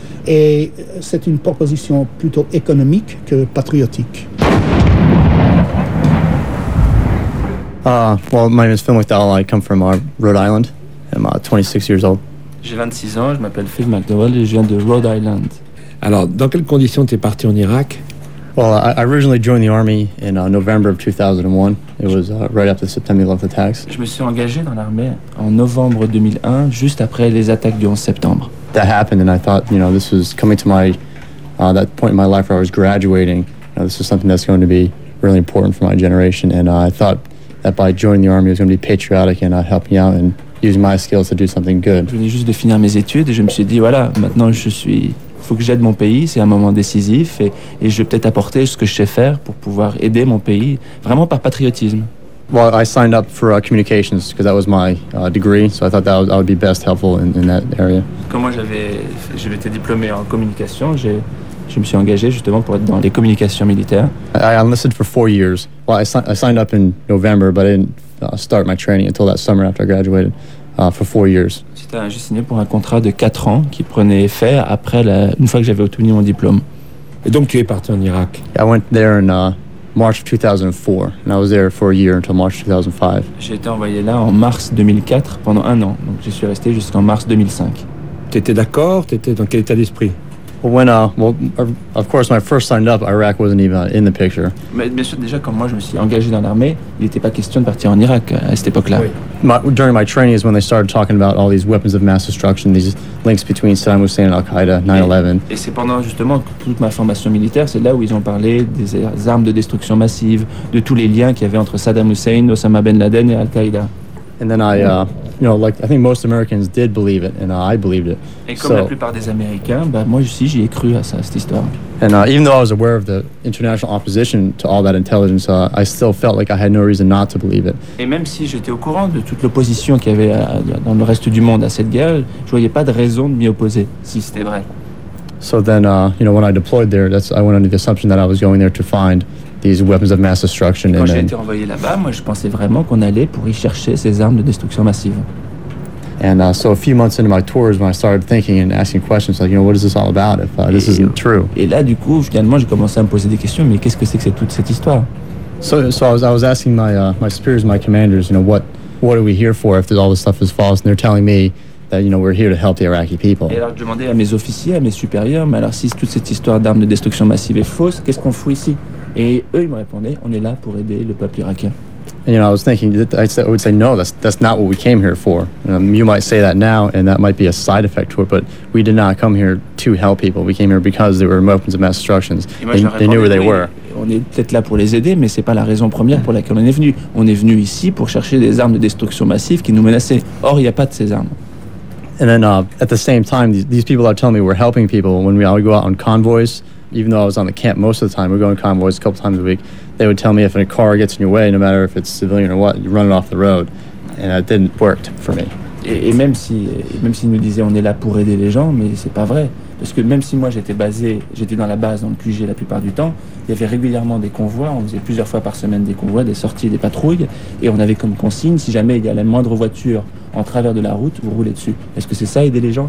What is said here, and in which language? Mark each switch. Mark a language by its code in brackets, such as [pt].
[fr] Et c'est une proposition plutôt économique que patriotique. [en] My name is Phil McDowell. I come from Rhode Island. I'm 26 years old. [fr] J'ai 26 ans, je m'appelle Phil McDowell et je viens de Rhode Island. Alors, dans quelles conditions tu es parti en Irak? [en] Well, I originally joined the army in November of 2001. It was right after the September 11th attacks. [fr] Je me suis engagé dans l'armée en novembre 2001, juste après les attaques du 11 septembre. [en] That happened and I thought, you know, this was coming to my that point in my life where I was graduating. You know, this is something that's going to be really important for my generation and I thought that by joining the army it was going to be patriotic and help me out and use my skills to do something good. [fr] Je venais juste de finir mes études et je me suis dit voilà, maintenant je suis faut que j'aide mon pays, c'est un moment décisif et je vais peut-être apporter ce que je sais faire pour pouvoir aider mon pays vraiment par patriotisme. [en] Well, I signed up for communications because that was my degree, so I thought that I would be best helpful in that area. [fr] Comme moi j'avais été diplômé en communication, je me suis engagé justement pour être dans les communications militaires. [en] I enlisted for 4 years. Well, I signed up in November, but I didn't start my training until that summer after I graduated for 4 years. [fr] J'ai signé pour un contrat de 4 ans qui prenait effet après une fois que j'avais obtenu mon diplôme. Et donc tu es parti en Irak? [en] I went there in March 2004, and I was there for a year until March 2005. [fr] J'ai été envoyé là en mars 2004 pendant un an, donc je suis resté jusqu'en mars 2005. Tu étais d'accord? Tu étais dans quel état d'esprit? [en] Of course, when I first signed up, Iraq wasn't even in the picture. [fr] Mais bien sûr, déjà, quand moi je me suis engagé dans l'armée, il n'était pas question de partir en Irak à cette époque-là. [en] During my training is when they started talking about all these weapons of mass destruction, these links between Saddam Hussein and Al-Qaeda, 9/11. [fr] Et c'est pendant justement toute ma formation militaire, c'est là où ils ont parlé des armes de destruction massive, de tous les liens qu'il y avait entre Saddam Hussein, Osama Ben Laden et Al-Qaeda. [en] And then I think most Americans did believe it, and I believed it. [fr] Et comme la plupart des Américains, moi aussi j'y ai cru à ça, cette histoire. [en] And even though I was aware of the international opposition to all that intelligence, I still felt like I had no reason not to believe it. [fr] Et même si j'étais au courant de toute l'opposition qu'il y avait dans le reste du monde à cette guerre, je voyais pas de raison de m'y opposer, si c'était vrai. [en] So then, when I deployed there, I went under the assumption that I was going there to find these weapons of mass destruction. [fr] Quand j'ai été envoyé là-bas, moi, je pensais vraiment qu'on allait pour y chercher ces armes de destruction massive. [en] And so a few months into my tours, when I started thinking and asking questions, like, you know, what is this all about if this isn't true? [fr] Et là, du coup, finalement, j'ai commencé à me poser des questions. Mais qu'est-ce que c'est que toute cette histoire? [en] So I was asking my superiors, my commanders, you know, what are we here for if all this stuff is false? And they're telling me that, you know, we're here to help the Iraqi people. [fr] Et alors, je demandais à mes officiers, à mes supérieurs, mais alors si toute cette histoire d'armes de destruction massive est fausse, qu'est-ce qu'on fout ici? Et eux, ils me répondaient, on est là pour aider le peuple irakien. [en] And, you know, I was thinking, I would say, no, that's not what we came here for. You might say that now, and that might be a side effect to it, but we did not come here to help people. We came here because there were weapons of mass destruction. They knew where they were. [fr] On est peut-être là pour les aider, mais c'est pas la raison première pour laquelle on est venu. On est venu ici pour chercher des armes de destruction massive qui nous menaçaient. Or, il n'y a pas de ces armes. [en] And then, at the same time, these people are telling me we're helping people. When we all go out on convoys, even though I was on the camp most of the time, we're going to convoys a couple times a week, they would tell me if a car gets in your way, no matter if it's civilian or what, you run it off the road. And it didn't work for me. [fr] Et même si ils nous disaient on est là pour aider les gens, mais c'est pas vrai. Parce que même si moi j'étais dans la base, dans le QG la plupart du temps, il y avait régulièrement des convois, on faisait plusieurs fois par semaine des convois, des sorties, des patrouilles, et on avait comme consigne, si jamais il y a la moindre voiture en travers de la route, vous roulez dessus. Est-ce que c'est ça, aider les gens?